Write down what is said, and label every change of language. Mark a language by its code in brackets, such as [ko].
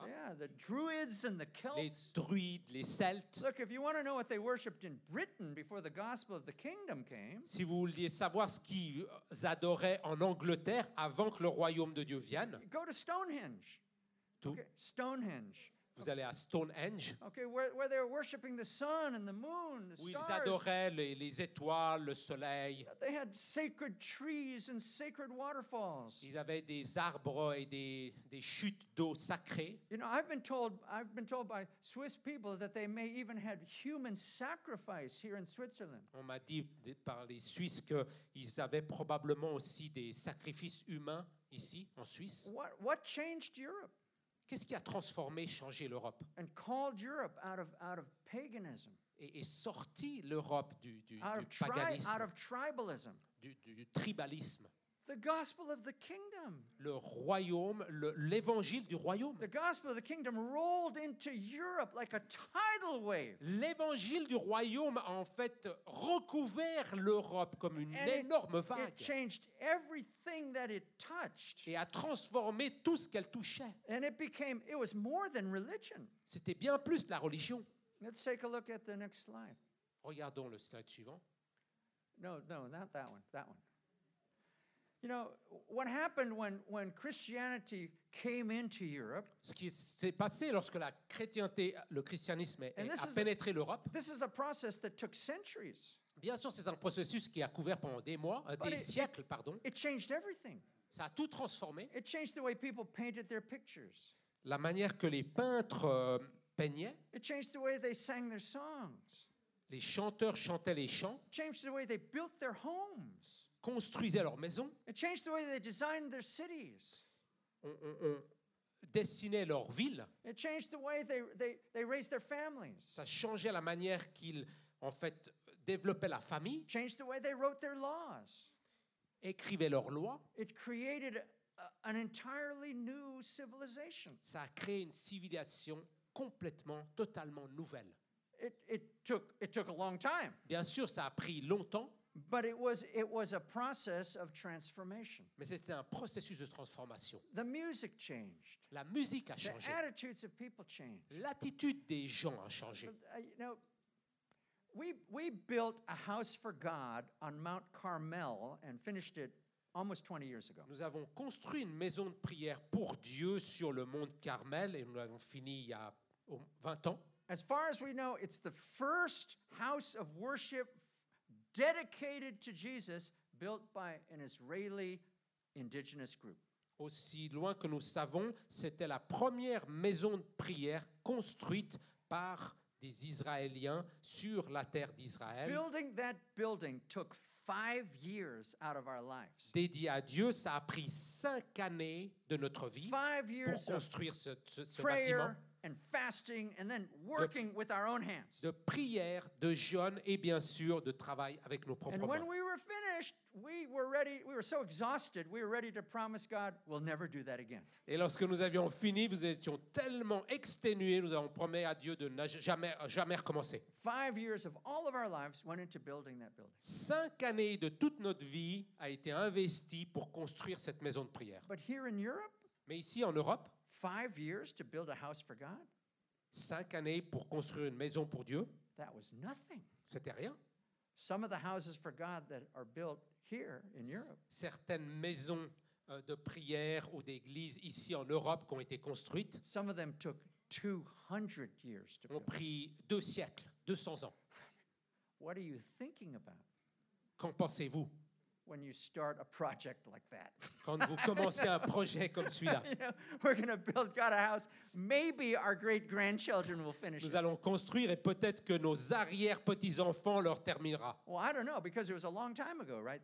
[en] Yeah, the Druids and the Celts. [fr] Les Druides, les Celtes. [en] Look, if you want to know what they worshipped in Britain before the gospel of the kingdom came. [fr] Si vous vouliez savoir ce qu'ils adoraient en Angleterre avant que le royaume de Dieu vienne. [en] Go to Stonehenge. [fr] Tout. [en] Okay, Stonehenge. [fr] Vous allez à Stonehenge. [en] Okay, where they were worshipping the sun and the moon, the [fr] où [en] stars. [fr] Ils adoraient les étoiles, le soleil. [en] They had sacred trees and sacred waterfalls. [fr] Ils avaient des arbres et des chutes d'eau sacrées. [en] You know, I've been told by Swiss people that they may even had human sacrifice here in Switzerland. [fr] On m'a dit par les Suisses que ils avaient probablement aussi des sacrifices humains ici en Suisse. [en] What changed Europe? [fr] Qu'est-ce qui a transformé, changé l'Europe? [en] And called Europe out of paganism. [fr] Et sorti l'Europe du paganisme. [en] Out of tribalism. [fr] Du tribalisme. [en] The gospel of the kingdom. [fr] Le royaume, l'évangile du royaume. [en] The gospel of the kingdom rolled into Europe like a tidal wave. [fr] L'évangile du royaume a en fait recouvert l'Europe comme une énorme vague. [en] It changed everything that it touched. [fr] Et a transformé tout ce qu'elle touchait. [en] And it was more than religion. [fr] C'était bien plus la religion. [en] Let's take a look at the next slide. [fr] Regardons le slide suivant. [en] No, not that one. That one. You know, what happened when Christianity came into Europe? [fr] Ce qui s'est passé lorsque la chrétienté, le christianisme a pénétré l'Europe. [en] This is a process that took centuries. [fr] Bien sûr, c'est un processus qui a couvert pendant des mois, des siècles. [en] It changed everything. [fr] Ça a tout transformé. [en] It changed the way people painted their pictures. [fr] La manière que les peintres peignaient. [en] It changed the way they sang their songs. [fr] Les chanteurs chantaient les chants. [en] It changed the way they built their homes. [fr] Construisaient leurs maisons. [en] It changed the way they designed their cities. [fr] On dessinait leurs villes. [en] It changed the way they raised their families. [fr] Ça changeait la manière qu'ils, en fait, développaient la famille. [en] It changed the way they wrote their laws. [fr] Écrivaient leurs lois. [en] It created an entirely new civilization. [fr] Ça a créé une civilisation complètement, totalement nouvelle. [en] It took a long time. [fr] Bien sûr, ça a pris longtemps. [en] But it was a process of transformation. [fr] Mais c'était un processus de transformation. [en] The music changed. [fr] La musique a changé. [en] The attitudes of people changed. [fr] L'attitude des gens a changé. [en] We built a house for God on Mount Carmel and finished it almost 20 years ago. [fr] Nous avons construit une maison de prière pour Dieu sur le mont Carmel et nous l'avons fini il y a 20 ans. [en] As far as we know, it's the first house of worship dedicated to Jesus built by an Israeli indigenous group. [fr] Aussi loin que nous savons, c'était la première maison de prière construite par des Israéliens sur la terre d'Israël. [en] Building that building took 5 years out of our lives. [fr] Dédié à Dieu, ça a pris 5 années de notre vie pour construire ce bâtiment. [en] And fasting, and then working with our own hands. [fr] De prière, de jeûne, et bien sûr de travail avec nos propres mains. [en] And when we were finished, we were ready. We were so exhausted. We were ready to promise God, we'll never do that again. [fr] Et lorsque nous avions fini, nous étions tellement exténués, nous avons promis à Dieu de ne jamais recommencer. [en] 5 years of all of our lives went into building that building. [fr] 5 années de toute notre vie a été investie pour construire cette maison de prière. [en] But here in Europe. [fr] Mais ici en Europe. [en] 5 years to build a house for God? [fr] 5 années pour construire une maison pour Dieu? [en] That was nothing. [fr] C'était rien. [en] Some of the houses for God that are built here in Europe. [fr] Certaines maisons de prière ou d'église ici en Europe qui ont été construites. [en] Some of them took 200 years to build. [fr] Ont pris 2 siècles, 200 ans. [en] What are you thinking about? [fr] Qu'en pensez-vous? [en] When you start a project like that. [fr] Quand vous commencez un projet comme celui-là. [en] We're going to build God a house. Maybe our great-grandchildren will finish it. [fr] Nous allons construire et peut-être que nos arrière-petits-enfants leur terminera. [en] Well, I don't know, because it was a long time ago, right?